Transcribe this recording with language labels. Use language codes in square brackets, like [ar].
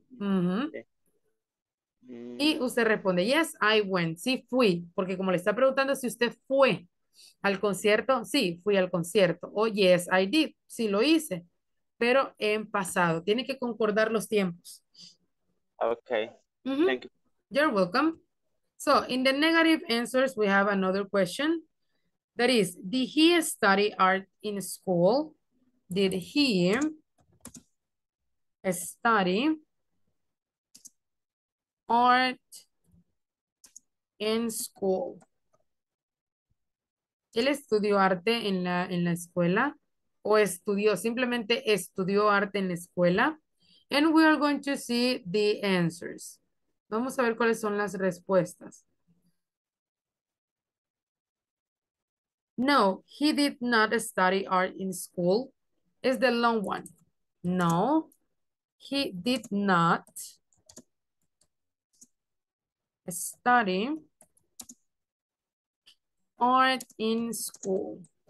[es] Uh-huh. Okay. Y usted responde, [en] yes, I went. [es] Sí, fui. Porque como le está preguntando si usted fue al concierto, sí, fui al concierto. O [en] yes, I did. [es] Sí, lo hice. Pero en pasado. Tiene que concordar los tiempos. [en] Okay. Uh-huh. Thank you. You're welcome. So in the negative answers, we have another question. That is, did he study art in school? Did he study art in school? [es] ¿Él estudió arte en la escuela? ¿O estudió, simplemente estudió arte en la escuela? [en] And we are going to see the answers. [es] Vamos a ver cuáles son las respuestas. [en] No, he did not study art in school. Is the long one. No, he did not study art in school.